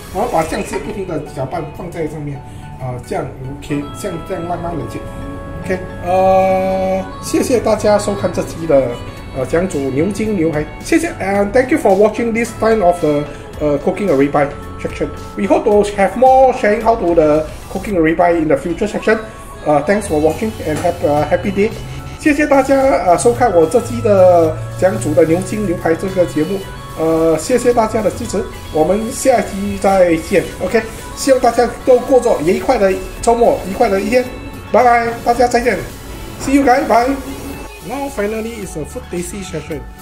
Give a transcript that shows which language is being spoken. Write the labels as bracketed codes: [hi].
[zh] 我要把酱汁不停的搅拌放在上面，酱 OK， 酱慢慢冷却。 OK， 谢谢大家收看这期的。讲煮牛筋牛排，谢谢 [en] and thank you for watching this time of the cooking a ribeye section. We hope to have more sharing how to the cooking a ribeye in the future section. Thanks for watching and have a happy day. [zh] 谢谢大家收看我这期的讲煮的牛筋牛排这个节目。谢谢大家的支持，我们下期再见。 OK， 希望大家都过着愉快的周末，愉快的一天。拜拜，大家再见 [en] ，See you guys， bye。Now finally is a food tasting session.